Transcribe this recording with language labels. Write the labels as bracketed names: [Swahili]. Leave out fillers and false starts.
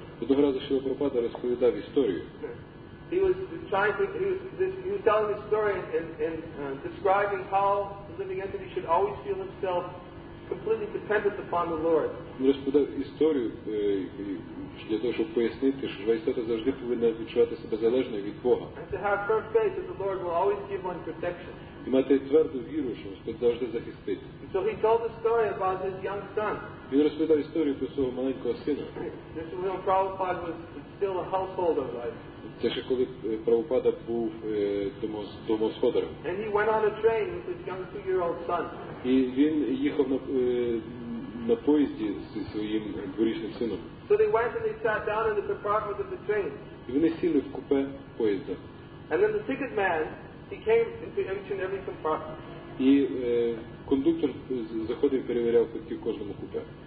[Ukrainian] Одного разу Шріла Прабхупада розповідав історію. [English] He was telling a story and describing how the living entity should always feel himself completely dependent upon the Lord. [Ukrainian] Він розповідав історію для того, щоб пояснити, що живе істота завжди повинна відчувати себе залежною від Бога. [English] And to have firm faith that the Lord will always give one protection. [Ukrainian] І мати тверду віру, що Господь завжди захистить. [English] So he told the story about his young son. [Ukrainian] Він розповідав історію про свого маленького сина. [English] This was when Prabhupada was still a householder, right? [Ukrainian] Це ще коли Прабхупада був домогосподаром. [English] And he went on a train with his young 2-year-old son. [Ukrainian] І він їхав на поїзді зі своїм 2-річним сином. [English] So they went and they sat down in the compartment of the train. [Ukrainian] І вони сіли в купе поїзда. [English] And then the ticket man, he came into each and every compartment. [Ukrainian] І кондуктор заходив, перевіряв квитки в кожному купе.